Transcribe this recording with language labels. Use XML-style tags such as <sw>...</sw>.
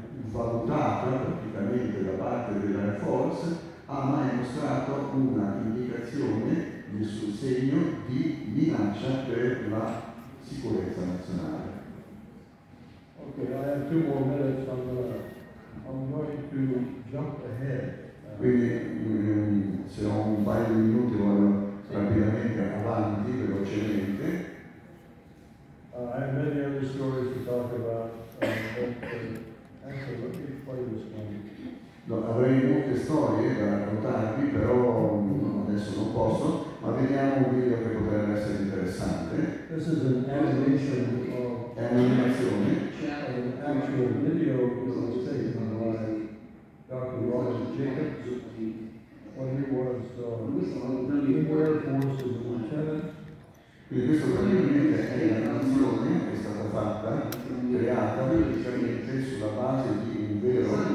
<it>valutata praticamente da parte dell'Air Force, ha mai mostrato una indicazione, nessun segno di minaccia per la sicurezza nazionale.</it> <en>Ok, I have two more minutes, I'm going to jump ahead.</en> <it>Quindi se ho un paio di minuti vado rapidamente avanti, velocemente.</it> <en>I have many other stories to talk about, actually, let me play this one.</en> <it>No, avrei molte storie da raccontarvi, però adesso non posso, ma vediamo un video che potrebbe essere interessante.</it> <en>This is an animation of</en> <it>animazione.</it> <en>An actual video that was taken by Dr. Roger Jacobs when he was in Air Force as a lieutenant.</en> <it>Quindi questo praticamente è la canzone che è stata fatta, creata praticamente sulla base di un vero.</it>